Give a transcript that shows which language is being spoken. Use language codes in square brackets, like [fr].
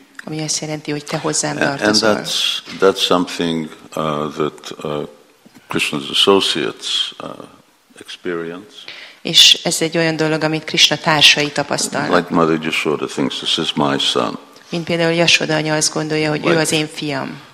[hu] Ami azt jelenti, hogy te hozzám tartozol. [en] And that's something that Krishna's associates experience. [hu] És ez egy olyan dolog, amit Krishna társai tapasztalnak. [en] Like Mother Yashoda thinks this is my son. [hu] Mint például Yashoda anya azt gondolja, hogy ő az én fiam.